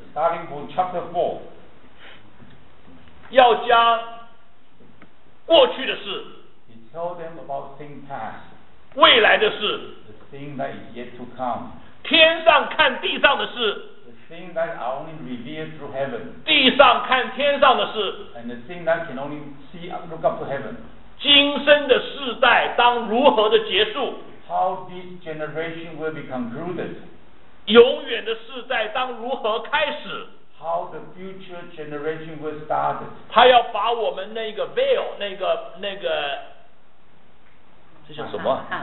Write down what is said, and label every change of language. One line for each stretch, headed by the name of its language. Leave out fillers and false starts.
English: Starting from chapter four.
Chinese: 要将过去的事。
English: He told them about things past.
Chinese: 未来的事。
English: The thing that is yet to come.
Chinese: 天上看地上的事。
English: The things that are only revealed through heaven.
Chinese: 地上看天上的事。
English: And the things that can only see look up to heaven.
Chinese: 今生的世代当如何的结束。
English: How this generation will be concluded.
Chinese: 永远的世代当如何开始。
English: How the future generation will start.
Chinese: 他要把我们那个 veil, 那个这叫什么？